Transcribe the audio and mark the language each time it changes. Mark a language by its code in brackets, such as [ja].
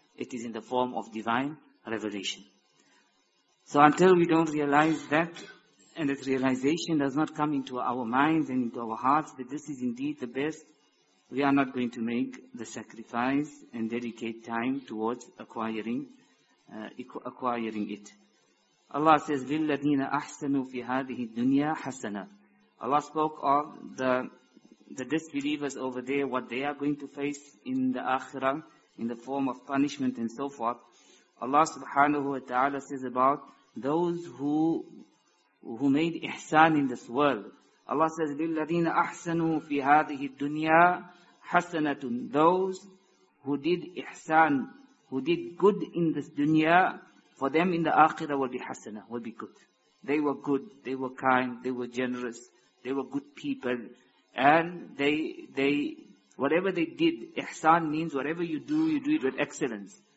[en] It is in the form of divine revelation. So until we don't realize that, and that realization does not come into our minds and into our hearts, that this is indeed the best, we are not going to make the sacrifice and dedicate time towards acquiring it. Allah says, [ar] لِلَّذِينَ أَحْسَنُوا فِي هَذِهِ الدُّنْيَا حَسَنًا. [en] Allah spoke of the disbelievers over there, what they are going to face in the Akhirah, in the form of punishment and so forth. Allah subhanahu wa ta'ala says about those who made ihsan in this world. Allah says, [ar] لِلَّذِينَ أَحْسَنُوا فِي هَذِهِ الدُّنْيَا حَسَنَةٌ. [en] Those who did ihsan, who did good in this dunya, for them in the Akhirah will be hasanah, will be good. They were good, they were kind, they were generous, they were good people. And they whatever they did, ihsan means whatever you do it with excellence.